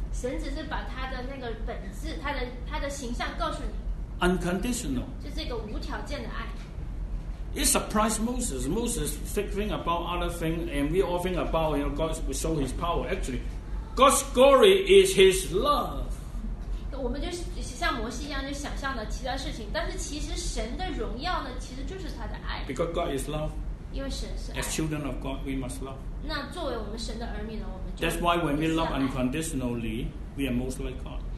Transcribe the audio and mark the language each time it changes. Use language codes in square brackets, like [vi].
[zh] 神只是把他的那个本质他的形象告诉你 [en] unconditional [zh] 就是一个无条件的爱 [en] It surprised Moses. Moses thinking about other things, and we all think about, you know, God will show his power. Actually, God's glory is his love. [zh] 我们就像摩西一样就想象了其他事情，但是其实神的荣耀呢，其实就是他的爱。 [en] Because God is love. [zh] 因为神是爱。 [en] As children of God, we must love. [zh] 那作为我们神的儿女呢，我们就 [en] That's why when we love unconditionally, we are most like God.